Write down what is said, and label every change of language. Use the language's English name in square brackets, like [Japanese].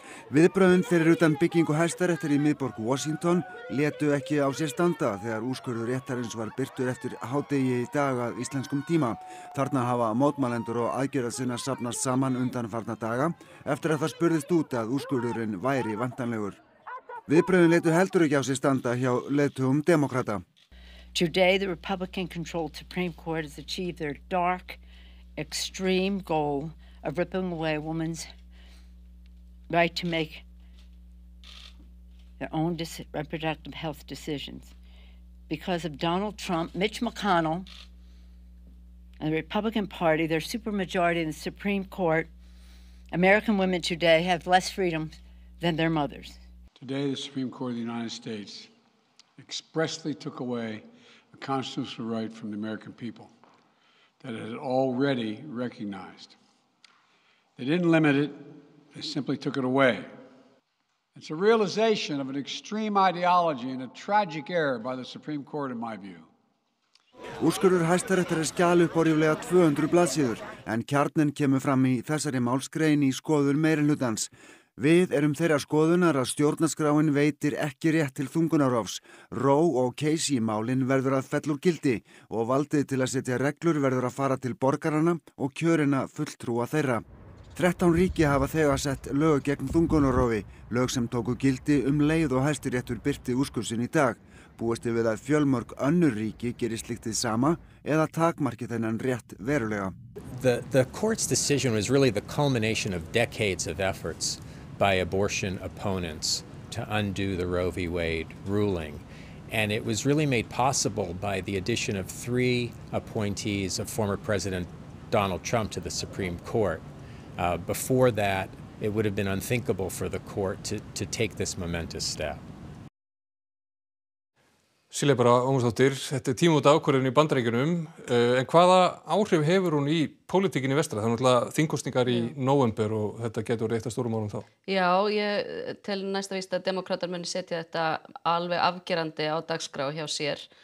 [Icelandic] Viðbrögðin fyrir utan byggingu Hæstaréttar í miðborg Washington létu ekki á sér standa þegar úrskurður réttarins var birtur eftir hádegi í dag að íslenskum tíma. Þarna hafa mótmælendur og aðgerðasinna safnast saman undanfarna daga eftir að það spurðist út að úrskurðurinn væri væntanlegur. Viðbrögðin létu heldur ekki á sér standa hjá leiðtogum demókrata. [English] Today the Republican controlled Supreme Court has achieved their dark extreme goal of ripping away women's right to make their own reproductive health decisions. Because of Donald Trump, Mitch McConnell, and the Republican Party, their supermajority in the Supreme Court, American women today have less freedom than their mothers. Today, the Supreme Court of the United States expressly took away a constitutional right from the American people that it had already recognized. They didn't limit it. They simply took it away. It's a realization of an extreme ideology and a tragic error by the Supreme Court, in my view. [Icelandic] Úrskurður Hæstaréttar skjal upp á ríflega 200 blaðsíður, en kjarninn kemur fram í þessari málsgrein í skoðun meirihlutans. Við erum þeirra skoðunar að stjórnarskráin veitir ekki rétt til þungunarrofs. Ró og Casey-málin verður að fella úr gildi og valdið til að setja reglur verður að fara til borgaranna og kjörina fulltrúa þeirra. 13 ríki hafa þegar sett lög gegn þungunarrofi, lög sem tóku gildi leið og Hæstiréttur birti úrskurðinn í dag. Búist er við að fjölmörg önnur ríki geri slíkt hið sama eða takmarki þennan rétt verulega. [English] The court's decision was really the culmination of decades of efforts by abortion opponents to undo the Roe v. Wade ruling. And it was really made possible by the addition of three appointees of former President Donald Trump to the Supreme Court. Before that, it would have been unthinkable for the court to take this momentous step. [Icelandic] Sýlega bara, Ómarsdóttir, þetta er tímamót ákvörðun í Bandaríkjunum. En hvaða áhrif hefur hún í pólitíkinni vestra? Það náttúrulega þingkosningar í nóvember og þetta getur eitt af stórum árum þá. Já, ég tel næsta víst að demokrátar muni setja þetta alveg afgerandi á dagskrá hjá sér.